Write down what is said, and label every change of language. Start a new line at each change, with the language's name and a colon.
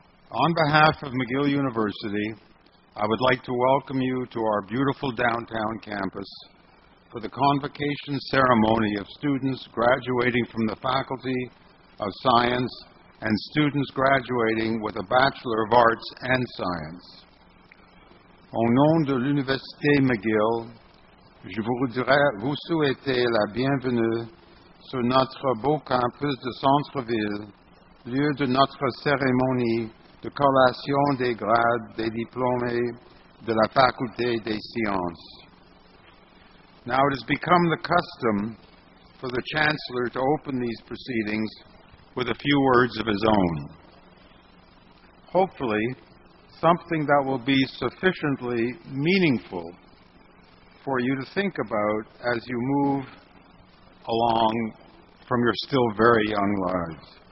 English: On behalf of McGill University, I would like to welcome you to our beautiful downtown campus for the convocation ceremony of students graduating from the Faculty of Science and students graduating with a Bachelor of Arts and Science.
French: Au nom de l'Université McGill, je voudrais vous souhaiter la bienvenue sur notre beau campus de centre-ville, lieu de notre cérémonie de collation des grades des diplômés de la Faculté des Sciences.
English: Now it has become the custom for the Chancellor to open these proceedings with a few words of his own. Hopefully, something that will be sufficiently meaningful for you to think about as you move along from your still very young lives.